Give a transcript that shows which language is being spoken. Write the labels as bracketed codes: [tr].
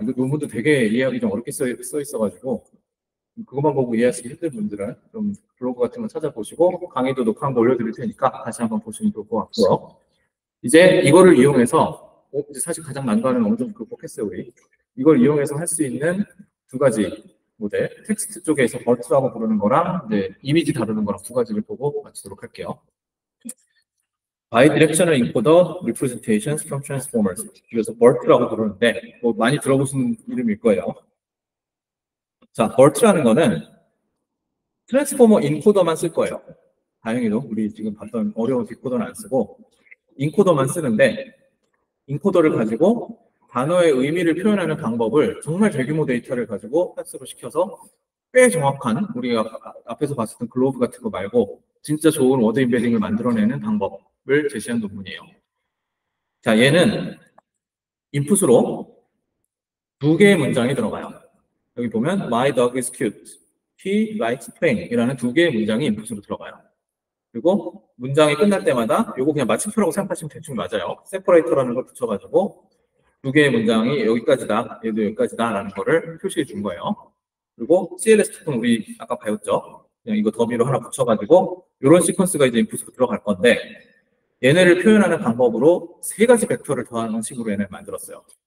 [ko] 이거 논문도 되게 이해하기 좀 어렵게 써있어가지고, 그것만 보고 이해하시기 힘든 분들은 좀 블로그 같은 거 찾아보시고, 강의도 녹화한 거 올려드릴 테니까 다시 한번 보시면 좋을 것 같고요. 이제 이거를 이용해서, 이제 사실 가장 난관은 어느 정도 극복했어요, 우리. 이걸 이용해서 할수 있는 두 가지 모델, 텍스트 쪽에서 버트라고 부르는 거랑 이제 이미지 다루는 거랑 두 가지를 보고 마치도록 할게요. [en] Bidirectional Encoder Representations from Transformers. [ko] 여기서 버트라고 부르는데, 뭐 많이 들어보신 이름일 거예요. 자, 버트라는 거는 트랜스포머 인코더만 쓸 거예요. 다행히도 우리 지금 봤던 어려운 디코더는 안 쓰고, 인코더만 쓰는데, 인코더를 가지고 단어의 의미를 표현하는 방법을 정말 대규모 데이터를 가지고 학습을 시켜서 꽤 정확한 우리가 앞에서 봤었던 글로브 같은 거 말고 진짜 좋은 워드 임베딩을 만들어내는 방법을 제시한 논문이에요. 자, 얘는 인풋으로 두 개의 문장이 들어가요. [en] 여기 보면 My dog is cute. He likes playing. [ko] 이라는 두 개의 문장이 인풋으로 들어가요. 그리고 문장이 끝날 때마다 요거 그냥 마침표라고 생각하시면 대충 맞아요. 세퍼레이터라는 걸 붙여가지고 두 개의 문장이 여기까지다, 얘도 여기까지다라는 거를 표시해 준 거예요. 그리고 CLS 토큰 우리 아까 배웠죠? 그냥 이거 더미로 하나 붙여가지고 이런 시퀀스가 이제 인풋으로 들어갈 건데 얘네를 표현하는 방법으로 세 가지 벡터를 더하는 식으로 얘네를 만들었어요.